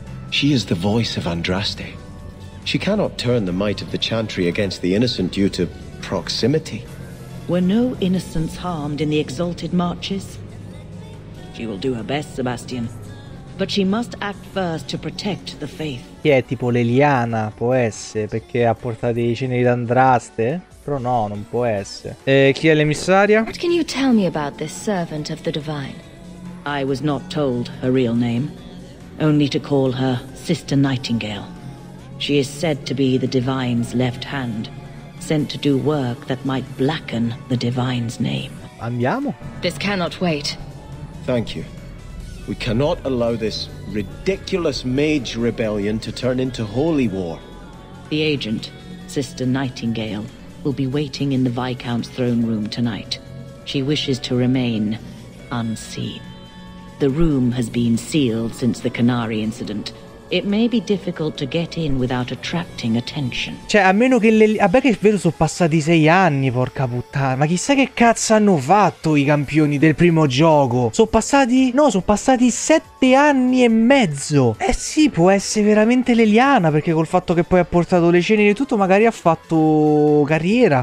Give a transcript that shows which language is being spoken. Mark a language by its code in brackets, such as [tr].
[en] She is the voice of Andraste. She cannot turn the might of the Chantry against the innocent due to proximity. Were no innocents harmed in the Exalted Marches? She will do her best, Sebastian. But she must act first to protect the faith. [it] Chi è tipo l'Eliana? Può essere, perché ha portato i ceneri d'Andraste? Però no, non può essere. E chi è l'emissaria? [en] What can you tell me about this servant of the Divine? I was not told her real name, only to call her Sister Nightingale. She is said to be the Divine's left hand, sent to do work that might blacken the Divine's name. [it] Andiamo. [en] This cannot wait. Thank you. We cannot allow this ridiculous mage rebellion to turn into holy war. The agent, Sister Nightingale, will be waiting in the Viscount's throne room tonight. She wishes to remain unseen. The room has been sealed since the Canary incident. It may be difficult to get in without attracting attention. [it] Cioè, a meno che le... Vabbè che è vero, sono passati 6 anni, porca puttana. Ma chissà che cazzo hanno fatto i campioni del primo gioco. Sono passati... No, sono passati 7 anni e mezzo. Eh sì, può essere veramente l'Eliana, perché col fatto che poi ha portato le ceneri e tutto, magari ha fatto carriera.